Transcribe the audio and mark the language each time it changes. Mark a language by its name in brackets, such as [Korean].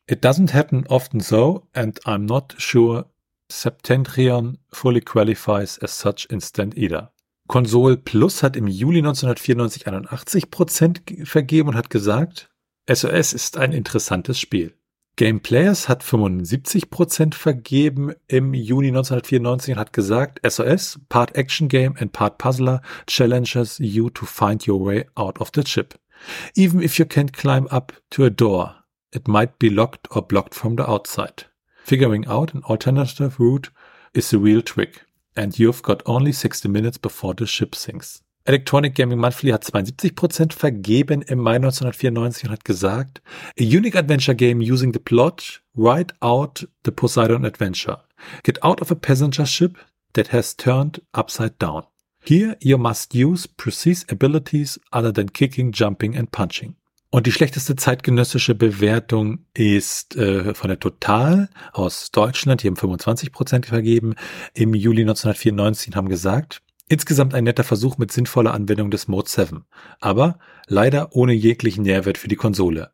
[English] It doesn't happen often so and I'm not sure Septentrion fully qualifies as such instant either. [German] Konsole Plus hat im Juli 1994 81% vergeben und hat gesagt, SOS ist ein interessantes Spiel. [English] Game Players [German] hat 75% vergeben im Juni 1994 und hat gesagt, [English] SOS, part Action Game and part Puzzler, challenges you to find your way out of the chip. Even if you can't climb up to a door, it might be locked or blocked from the outside. Figuring out an alternative route is a real trick and you've got only 60 minutes before the ship sinks. Electronic Gaming Monthly [German] hat 72% vergeben im Mai 1994 und hat gesagt, [English] a unique adventure game using the plot, ride out the Poseidon Adventure. Get out of a passenger ship that has turned upside down. Here you must use precise abilities other than kicking, jumping and punching. [German] Und die schlechteste zeitgenössische Bewertung ist von der Total aus Deutschland, die haben 25% vergeben, im Juli 1994 und haben gesagt, insgesamt ein netter Versuch mit sinnvoller Anwendung des Mode 7, aber leider ohne jeglichen Nährwert für die Konsole.